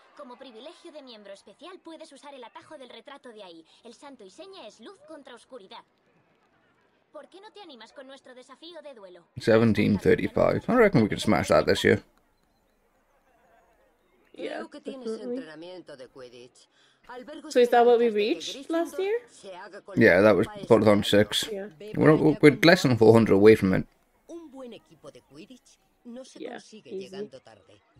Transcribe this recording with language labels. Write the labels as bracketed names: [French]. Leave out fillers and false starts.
[Spanish] Como privilegio de miembro especial, puedes usar el atajo del retrato de ahí. El santo y seña es luz contra oscuridad. ¿Por qué no te animas con nuestro desafío de duelo? [English] 1735. I reckon we can smash that this year. [Spanish] Yeah, creo que tienes entrenamiento de Quidditch. [English] So is that what we reached last year? Yeah, that was Potterthon 6. Yeah. We're less than 400 away from it. [Spanish] Equipo de Quidditch no se consigue llegando tarde.